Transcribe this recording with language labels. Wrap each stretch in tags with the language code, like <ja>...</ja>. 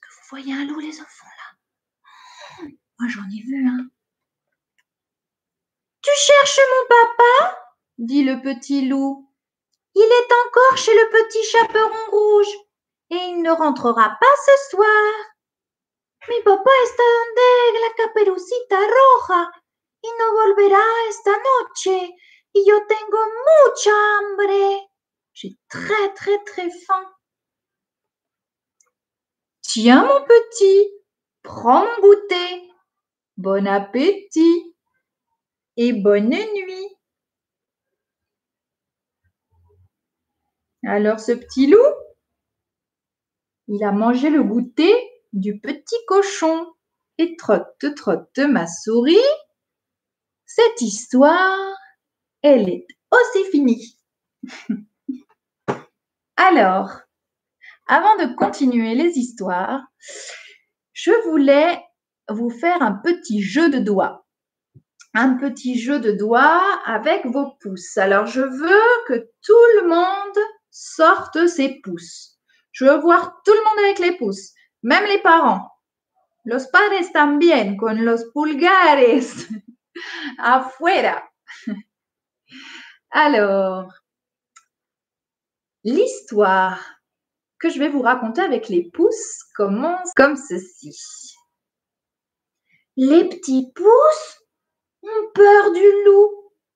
<fr>Vous voyez un loup, les enfants, là? Moi, j'en ai vu un. Hein. Tu cherches mon papa? Dit le petit loup. Il est encore chez le petit chaperon rouge et il ne rentrera pas ce soir.</fr> <es>Mi papá está donde la caperucita roja y no volverá esta noche y yo tengo mucha hambre.</es> <fr>J'ai très, très, très faim. Tiens, mon petit, prends mon goûter. Bon appétit et bonne nuit. Alors, ce petit loup, il a mangé le goûter du petit cochon. Et trotte, trotte, ma souris, cette histoire, elle est aussi finie. Alors, avant de continuer les histoires, je voulais vous faire un petit jeu de doigts. Un petit jeu de doigts avec vos pouces. Alors, je veux que tout le monde sorte ses pouces. Je veux voir tout le monde avec les pouces, même les parents.</fr> <es>Los padres también con los pulgares. Afuera.</es> <fr>Alors, l'histoire que je vais vous raconter avec les pouces commence comme ceci. Les petits pouces ont peur du loup.</fr>